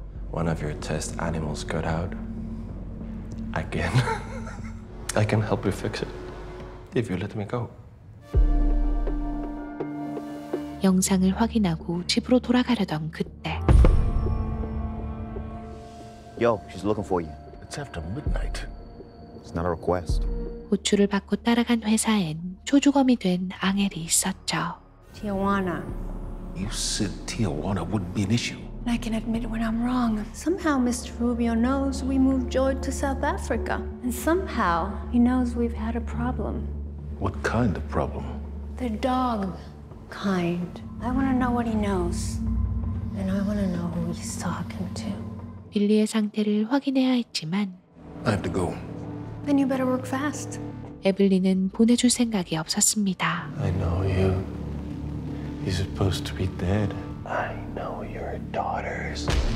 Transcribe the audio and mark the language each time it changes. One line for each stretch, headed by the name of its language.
English: one of your test animals got out, I can, I can help you fix it if you let me go.
Korean: 영상을 확인하고 집으로 돌아가려던 그때.
English: Yo, she's looking for you. It's after midnight. It's not a request.
Korean: 호출을 받고 따라간 회사엔 초주검이 된 앙헬이 있었죠.
English: Tijuana. You said Tijuana wouldn't be an issue. And I can admit when I'm wrong. Somehow Mr. Rubio knows we moved Joy to South Africa. And somehow he knows we've had a problem. What kind of problem? The dog kind. I want to know what he knows. And I want to know who he's talking to.
Korean: 빌리의 상태를 확인해야 했지만
English: I have to go. Then you better work fast.
Korean: 에블린은 보내줄 생각이 없었습니다.
English: I know you. You're supposed to be dead. I know your daughters.